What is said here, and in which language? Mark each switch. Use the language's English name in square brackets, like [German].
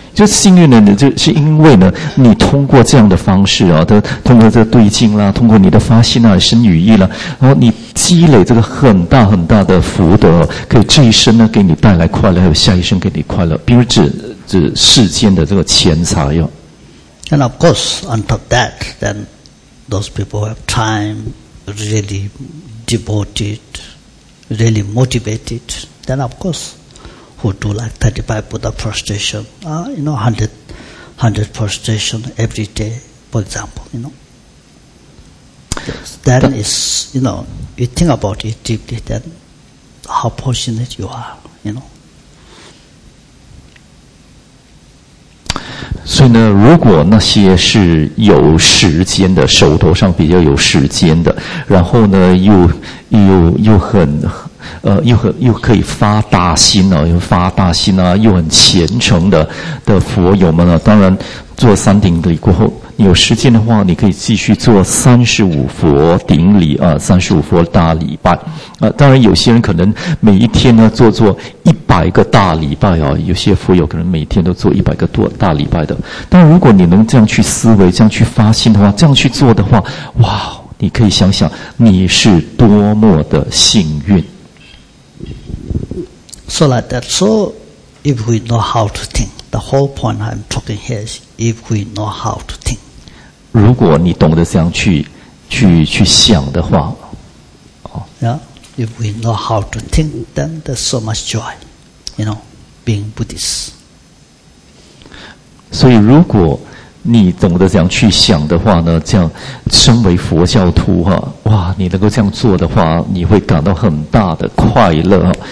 [Chinese] 就幸运呢，你就是因为呢，你通过这样的方式啊，通过这个对境啦，通过你的发心啊、身与意啦，然后你积累这个很大很大的福德，可以这一生呢给你带来快乐，还有下一生给你快乐，并不是指世间的这个钱财哟。 [English] And of course, on top of that, then those people have time, really devoted, really motivated. Then of course. Who do like 35 Buddha prostration, you know, 100 prostration every day, for example, you know. That is, you know, you think about it deeply, then how fortunate you are, you know. [Chinese] 所以呢，如果那些是有时间的，手头上比较有时间的，然后呢，又可以发大心呢、啊，又发大心啊，又很虔诚的佛友们啊，当然做三顶礼过后，有时间的话，你可以继续做35佛顶礼啊，35佛大礼拜啊。当然，有些人可能每一天呢做100个大礼拜啊，有些佛友可能每天都做100个大礼拜的。但如果你能这样去思维、这样去发心的话、这样去做的话，哇，你可以想想你是多么的幸运。 [English] So like that. So if we know how to think, the whole point I'm talking here is if we know how to think. [Chinese] 如果你懂得这样去想的话， [English] yeah, if we know how to think, then there's so much joy, you know, being Buddhist. [Chinese] 所以如果你懂得这样去想的话呢，这样身为佛教徒哈、啊，哇，你能够这样做的话，你会感到很大的快乐。